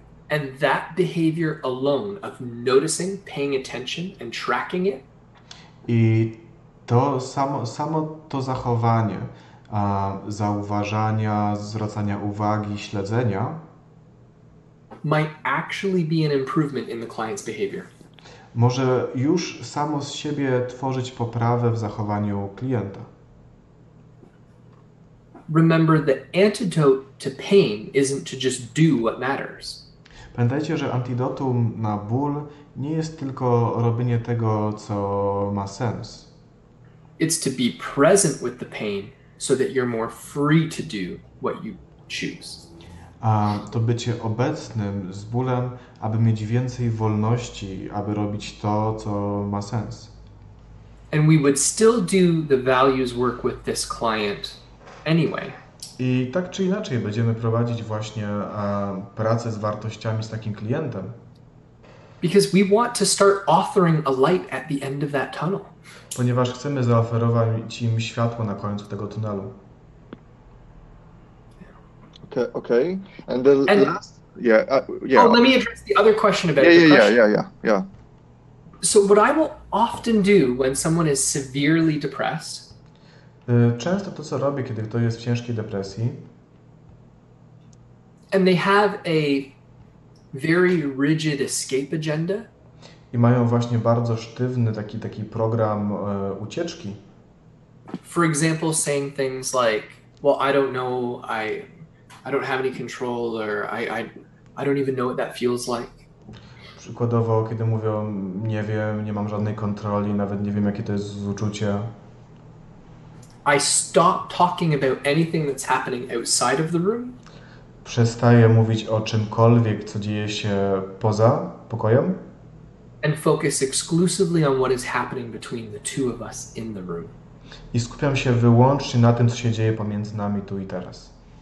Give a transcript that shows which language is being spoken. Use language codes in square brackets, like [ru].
[en] And that behavior alone of noticing, paying attention and tracking it. [pl] I to samo to zachowanie zauważania, zwracania uwagi, śledzenia [en] might actually be an improvement in the client's behavior. [pl] Może już samo z siebie tworzyć poprawę w zachowaniu klienta. [en] Remember, the antidote to pain isn't to just do what matters. [pl] Pamiętajcie, że antidotum na ból nie jest tylko robienie tego, co ma sens. [en] It's to be present with the pain so that you're more free to do what you choose. [pl] A to bycie obecnym z bólem, aby mieć więcej wolności, aby robić to, co ma sens. [en] And we would still do the values work with this client anyway. [pl] I tak czy inaczej będziemy prowadzić właśnie pracę z wartościami z takim klientem. [en] Because we want to start offering a light at the end of that tunnel. [pl] Ponieważ chcemy zaoferować im światło na końcu tego tunelu. [en] Okay. And the last. Oh, let me address the other question about So what I will often do when someone is severely depressed. [pl] Często to, co robię, kiedy ktoś jest w ciężkiej depresji. [en] And they have a very rigid escape agenda. [pl] I mają właśnie bardzo sztywny taki program ucieczki. [en] For example, saying things like, well, I don't know, I don't have any control, or I don't even know what that feels like. [pl] Przykładowo, kiedy mówią, nie wiem, nie mam żadnej kontroli, nawet nie wiem, jakie to jest uczucie. [en] I stop talking about anything that's happening outside of the room. [pl] Przestaję mówić o czymkolwiek, co dzieje się poza pokojem. [en] And focus exclusively on what is happening between the two of us in the room. [pl] I skupiam się wyłącznie na tym, co się dzieje pomiędzy nami tu i teraz.